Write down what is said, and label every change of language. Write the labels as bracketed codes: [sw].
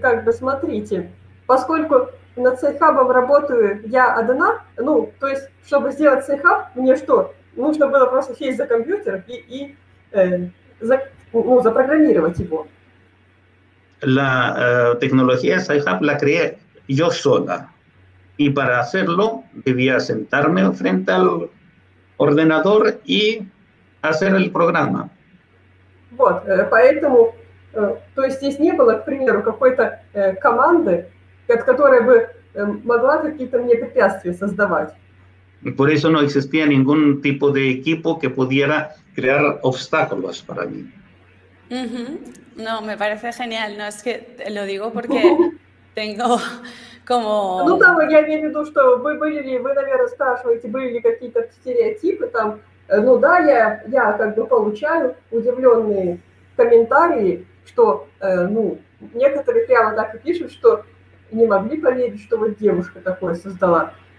[ru] Смотрите, поскольку над сайт-хабом работаю я одна, ну, то есть, чтобы сделать сайт-хаб, мне что, нужно было просто сесть за компьютер и запрограммировать его? [es] La tecnología sci-hub la creé yo sola. Y para hacerlo debía sentarme frente al ordenador y hacer el programa. [ru] Вот, поэтому, то есть здесь не было, к примеру, какой-то команды, от которой бы могла какие-то мне препятствия создавать. [es] Por eso no existía ningún tipo de equipo que pudiera crear obstáculos para mí. No, me parece genial. No, es que lo digo porque tengo como... [ru] Ну, там, я имею в виду, что вы, наверное, спрашиваете, были ли какие-то стереотипы там. Ну да, я как бы получаю удивленные комментарии, что, некоторые прямо так и пишут, что не могли поверить, что вот девушка такое создала.